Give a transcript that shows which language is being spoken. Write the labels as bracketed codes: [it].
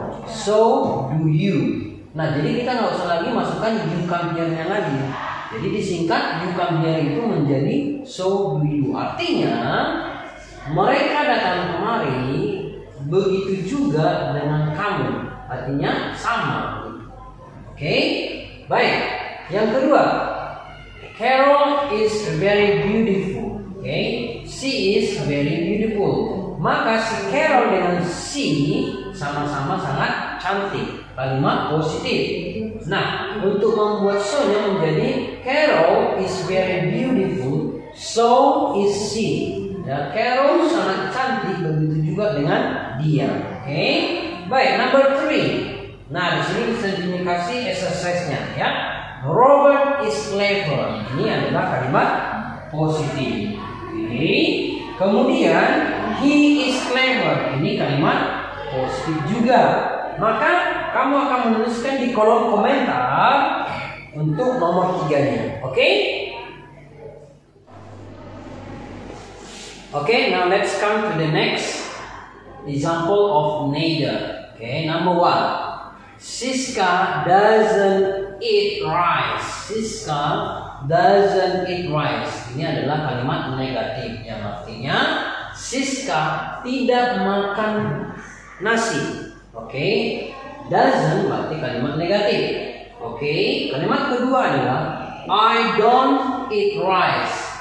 [en] So do you. [id] Nah, jadi kita enggak usah lagi masukkan you come here-nya lagi. Jadi disingkat [en] you come here [id] itu menjadi [en] so do you. [id] Artinya mereka datang kemari begitu juga dengan kamu. Artinya sama. Oke? Baik. Yang kedua, [en] Carol is very beautiful. [id] Oke? [en] She is very beautiful. [id] Maka si Carol dengan si sama-sama sangat cantik. Kalimat positif. Nah, untuk membuat so-nya menjadi [en] Carol is very beautiful, so is she. [id] Ya, Carol sangat cantik, begitu juga dengan dia. Oke? Baik, number 3. Nah, di sini bisa dikasih exercise-nya, ya. [en] Robert is clever. [id] Ini adalah kalimat positif. Oke? Kemudian [en] he is clever. [id] Ini kalimat positif juga. Maka kamu akan menuliskan di kolom komentar untuk nomor 3-nya. Oke? [en] Okay, now let's come to the next example of neither. Okay, number one, Siska doesn't eat rice. Siska doesn't eat rice. [id] Ini adalah kalimat negatif yang artinya Siska tidak makan nasi. Okay, doesn't berarti kalimat negatif. Okay, kalimat kedua adalah [en] I don't eat rice.